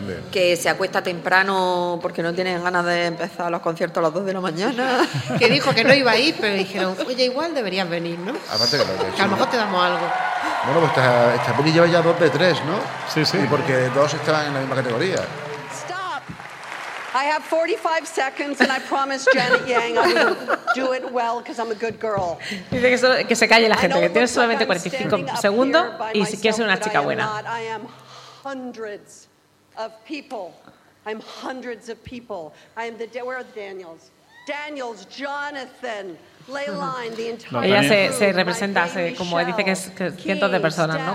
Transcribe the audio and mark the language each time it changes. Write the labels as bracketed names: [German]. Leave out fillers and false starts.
[Spanish] Que se acuesta temprano porque no tiene ganas de empezar los conciertos a las 2 de la mañana. Que dijo que no iba a ir, pero dijeron... Oye, igual deberías venir, ¿no? Aparte que lo he hecho, que a lo mejor, ¿no?, te damos algo. Bueno, pues esta peli lleva ya 2 de 3, ¿no? Sí, sí. Y porque dos están en la misma categoría. [English] Stop. I have 45 seconds and I promise Janet Yang I'm gonna do it well because I'm a good girl. Dice que se calle la gente, que tiene solamente 45 segundos y si quieres ser una chica buena. I am hundreds of people. I'm hundreds of people. I am where are the Daniels? Daniels, Jonathan. [Spanish] Ella se representa, como dice, que es que cientos de personas, ¿no?